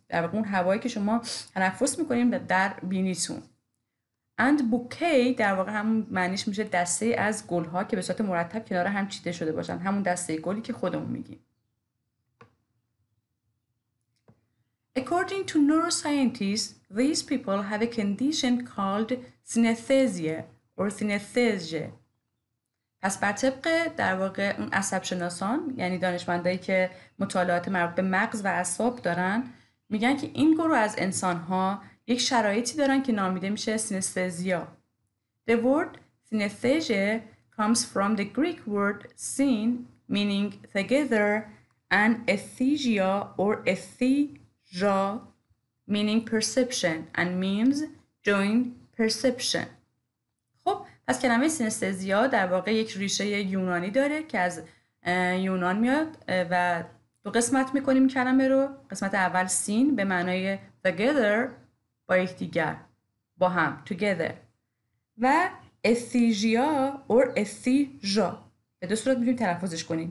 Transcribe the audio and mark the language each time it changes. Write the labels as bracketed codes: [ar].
[fa] در واقع اون هوایی که شما تنفس میکنیم در بینیتون. And bouquet در واقع همون معنیش میشه دسته از گلها که به صورت مرتب کنار هم چیده شده باشن. همون دسته گلی که خودمون میگیم. [en] According to neuroscientists, these people have a condition called synesthesia or synesthesia. [fa] پس بر طبق در واقع اون عصب شناسان یعنی دانشمندایی که مطالعات مربوط به مغز و اعصاب دارن میگن که این گروه از انسان‌ها یک شرایطی دارن که نامیده میشه سینستزیا. [en] The word synesthesia comes from the Greek word syn meaning together and aesthesia or aesthesia meaning perception and means joint perception. [fa] خب پس کلمه سینستزیا در واقع یک ریشه یونانی داره که از یونان میاد و دو قسمت میکنیم کلمه رو. قسمت اول سین به معنای together با یک دیگر، با هم، together. و اثیجیا اور اثیجا به دو صورت میتونیم تلفظش کنیم.